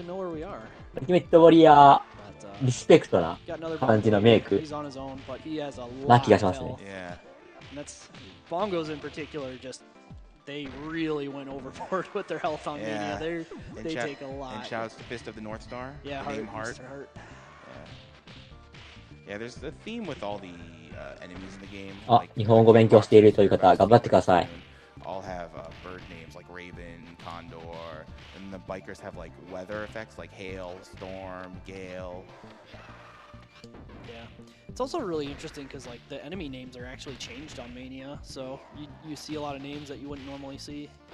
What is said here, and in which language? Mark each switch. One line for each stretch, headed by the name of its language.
Japanese: アルティメットウォリアー、リスペクトな感じのメイクな気がしますね。
English: ボンゴーズ in particular just... They really went overboard with their health on Mania. They take a lot. And shouts to Fist of the North Star. Yeah, the name Heart. Heart. Yeah, there's a theme with all the enemies in the game.
Japanese: Ah, 日本語勉強しているという方、頑張ってください。
English: All have bird names like Raven, Condor, and the bikers have like weather effects like hail, storm, gale. Yeah, it's also really interesting because like the enemy names are actually changed on Mania, so you see a lot of names that you wouldn't normally see.